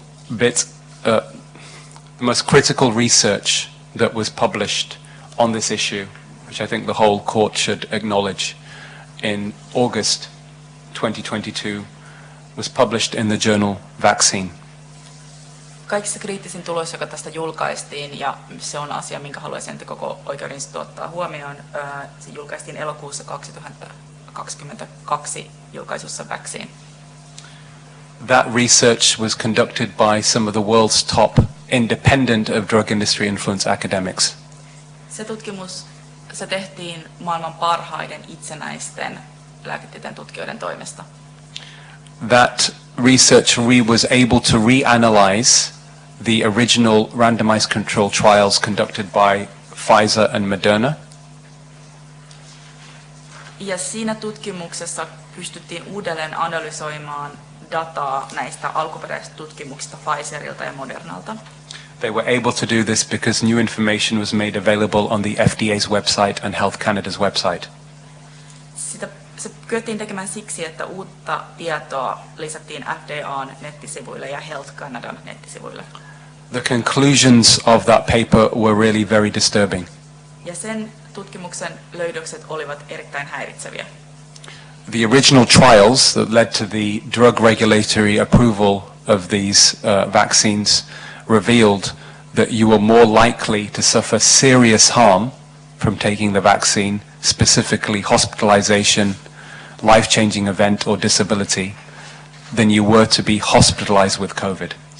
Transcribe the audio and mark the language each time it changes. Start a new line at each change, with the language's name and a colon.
English: The most critical research that was published on this issue, which I think the whole court should acknowledge, in August 2022 was published in the journal Vaccine.
Finnish: Kaikista kriittisin tulos, joka tästä julkaistiin, ja se on asia, minkä haluaisin koko oikeuden ottaa huomioon, se julkaistiin elokuussa 2022 julkaisussa Vaccine.
English: That research was conducted by some of the world's top independent of drug industry influence academics.
Finnish: Se tehtiin maailman parhaiden itsenäisten lääketieteen tutkijoiden toimesta.
English: that research was able to reanalyze the original randomized control trials conducted by Pfizer and Moderna.
Finnish: Ja siinä tutkimuksessa pystyttiin uudelleen analysoimaan dataa näistä alkuperäisistä tutkimuksista Pfizerilta ja Modernalta.
English: They were able to do this because new information was made available on the FDA's website and Health Canada's website.
Finnish: Se kyettiin tekemään siksi, että uutta tietoa lisättiin FDA:n nettisivuille ja Health Canadan nettisivuille.
English: The conclusions of that paper were really very disturbing.
Finnish: Ja sen tutkimuksen löydökset olivat erittäin häiritseviä.
English: The original trials that led to the drug regulatory approval of these vaccines revealed that you were more likely to suffer serious harm from taking the vaccine, specifically hospitalization, life-changing event or disability, than you were to be hospitalized with COVID.